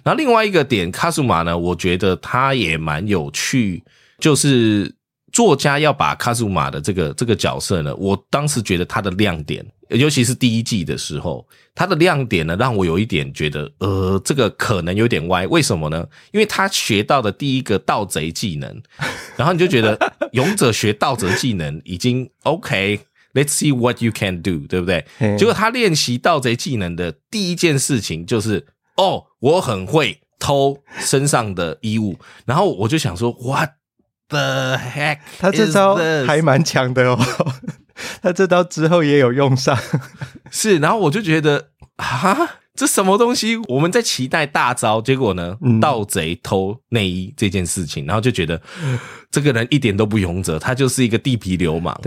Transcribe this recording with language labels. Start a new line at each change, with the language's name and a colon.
Chinese: 然后另外一个点，卡祖玛呢，我觉得他也蛮有趣，就是作家要把卡祖玛的这个角色呢，我当时觉得他的亮点，尤其是第一季的时候，他的亮点呢，让我有一点觉得，这个可能有点歪。为什么呢？因为他学到的第一个盗贼技能，然后你就觉得勇者学盗贼技能已经 OK。
English: Let's see what you can do,
Chinese: 对不对？结果他练习盗贼技能的第一件事情就是，哦，我很会偷身上的衣物。然后我就想说 ,
English: What the heck?
Chinese: 他这招还蛮强的哦。他这招之后也有用上。是，然后我就觉得啊，这什么东西，我们在期待大招，结果呢盗贼偷内衣这件事情、嗯、然后就觉得这个人一点都不勇者，他就是一个地痞流氓。